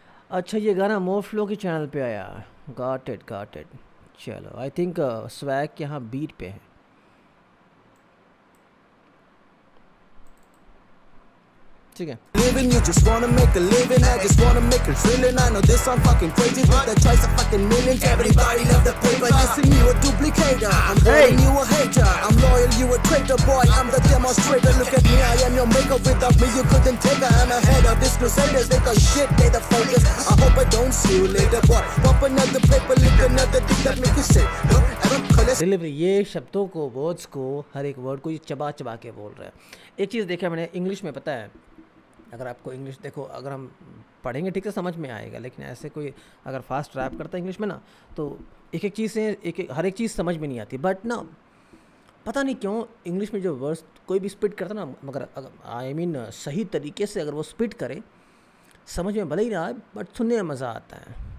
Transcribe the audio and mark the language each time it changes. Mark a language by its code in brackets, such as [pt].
[hi] अच्छा ये गाना मोफ्लो के चैनल पे आया, गॉट इट गॉट इट। चलो आई थिंक स्वैग यहाँ बीट पे है, ठीक है। [en] Living, you just wanna make a living, I just wanna make a feeling, I know this I'm fucking crazy, but the choice of fucking millions, everybody love the paper, you see me a duplicator, I'm calling you a hater, I'm loyal, you a traitor, boy, I'm the demonstrator, look at me, I am your maker, without me you couldn't take her, I'm ahead of these crusaders, they the shit, they the focus, I hope I don't see you later, boy, pop another paper, lick another dick that make you say, [hi] delivery, ये शब्दों को, words को, हर एक word को ये चबा चबा के बोल रहा है। एक चीज़ देखा मैंने इंग्लिश में, पता है अगर आपको इंग्लिश देखो, अगर हम पढ़ेंगे ठीक से समझ में आएगा, लेकिन ऐसे कोई अगर फास्ट रैप करता है इंग्लिश में ना, तो एक एक चीज़ से हर एक चीज़ समझ में नहीं आती। बट ना पता नहीं क्यों इंग्लिश में जो वर्ड्स कोई भी स्पिट करता ना, मगर सही तरीके से अगर वो स्पिट करे, समझ में भले ही ना आए बट सुनने में मज़ा आता है।